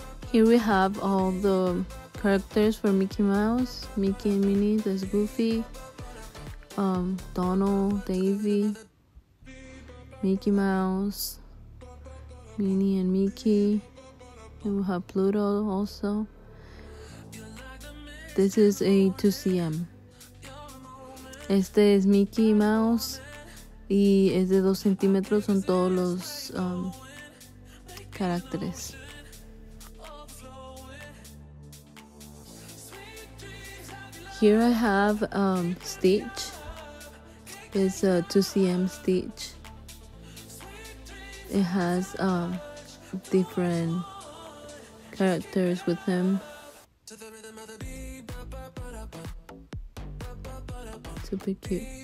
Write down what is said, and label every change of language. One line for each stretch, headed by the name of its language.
English: Here we have all the characters for Mickey Mouse, Mickey and Minnie, there's Goofy, Donald, Daisy, Mickey Mouse, Minnie and Mickey, and we have Pluto also. This is a 2 cm.
Spanish: Este es Mickey Mouse y es de 2 centímetros, son todos los caracteres.
English: Here I have Stitch, it's a 2 cm Stitch, it has different characters with him, super cute.